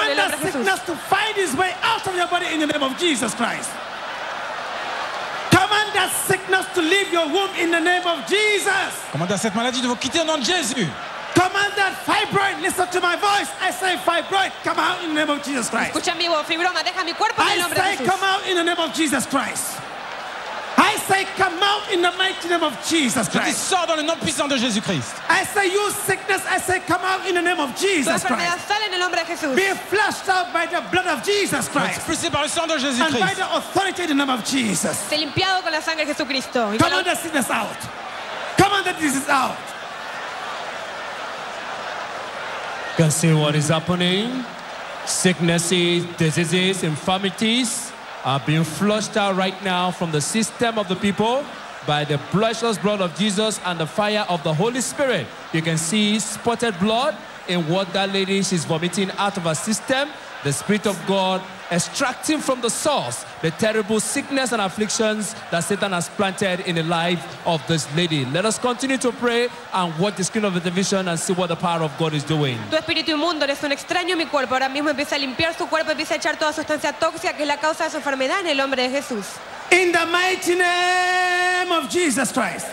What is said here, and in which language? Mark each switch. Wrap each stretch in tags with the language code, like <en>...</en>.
<en>Come on, the sickness to find its way out of your body in the name of Jesus Christ. Command that sickness to leave your womb in the name of Jesus.</en> <fr>Commande à cette maladie de vous quitter au nom de Jésus.</fr> <en>Command that fibroid, listen to my voice. I say fibroid, come out in the name of Jesus Christ.</en> <es>Escucha mi voz, fibroma, deja mi cuerpo en el nombre de Jesús.</es> <en>I say come out in the name of Jesus Christ. I say come out in the mighty name of Jesus Christ.</en> <fr>Je dis sors dans le nom puissant de Jésus Christ.</fr> <en>I say you sickness, I say come out in the name of Jesus Christ.</en> <es>Toda enfermedad sale en el nombre de Jesús.</es> <en>Be flushed out by the blood of Jesus Christ.</en> <fr>Expulsé par le sang de Jésus</fr> <en>Christ. And by the authority in the name of Jesus.</en> <es>Se limpiado con la sangre de Jesucristo.</es> <en>Come on the sickness out. Come on the disease out. Can see what is happening. Sicknesses, diseases, infirmities are being flushed out right now from the system of the people by the precious blood of Jesus and the fire of the Holy Spirit. You can see spotted blood in what that lady is vomiting out of her system. The Spirit of God extracting from the source the terrible sickness and afflictions that Satan has planted in the life of this lady. Let us continue to pray and watch the screen of the television and see what the power of God is doing.</en> <es>Tu espíritu inmundo es un extraño en mi cuerpo. Ahora mismo empieza a limpiar su cuerpo, empieza a echar toda sustancia tóxica que es la causa de su enfermedad en el nombre de Jesús.</es> <en>In the mighty name of Jesus Christ.</en>